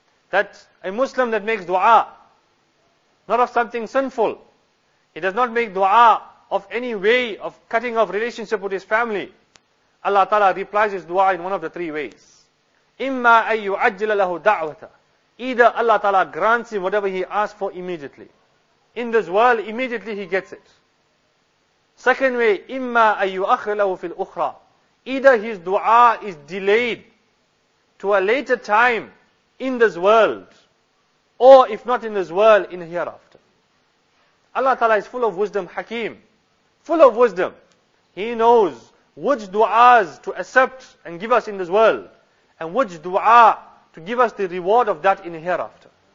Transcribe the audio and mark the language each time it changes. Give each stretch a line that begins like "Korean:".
English: That a Muslim that makes du'a, not of something sinful, he does not make du'a of any way of cutting off relationship with his family, Allah Ta'ala replies his du'a in one of the three ways.
Arabic: إِمَّا أَن يُعَجِّلَ لَهُ دَعْوَةً.
English: Either Allah Ta'ala grants him whatever he asks for immediately. In this world, immediately he gets it. Second way,
Arabic: إِمَّا أَن يُؤَخِّرَ لَهُ فِي الْأُخْرَى.
English: Either his dua is delayed to a later time in this world, or if not in this world, in hereafter. Allah Ta'ala is full of wisdom, Hakim. Full of wisdom. He knows which du'as to accept and give us in this world, and which dua to give us the reward of that in hereafter.